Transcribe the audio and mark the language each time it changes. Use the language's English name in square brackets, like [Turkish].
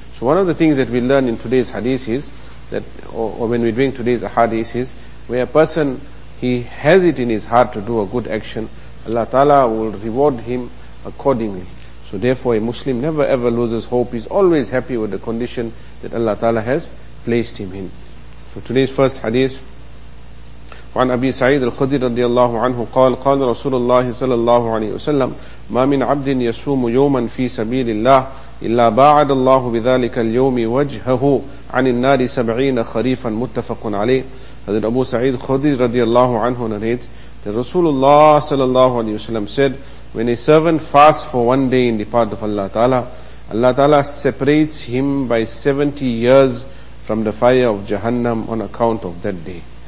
[English] So one of the things that we learn in today's hadith is, that, or when we bring today's hadith is, where a person, he has it in his heart to do a good action, Allah Ta'ala will reward him accordingly. So therefore a Muslim never ever loses hope. He's always happy with the condition that Allah Ta'ala has placed him in. So today's first hadith. [Arabic] وعن أبي سعيد الخدري رضي الله عنه قال قال رسول الله صلى الله عليه وسلم ما من عبد يصوم يوما في سبيل الله إلا باعد الله بذلك اليوم وجهه عن النار 70 خريفا متفق عليه. [English] حضرت أبو سعيد الخدري [Arabic] رضي الله عنه [English] narrates that Rasulullah [Arabic] صلى الله عليه وسلم [English] said, when a servant fasts for one day in the path of Allah Ta'ala, Allah Ta'ala separates him by 70 years from the fire of Jahannam on account of that day.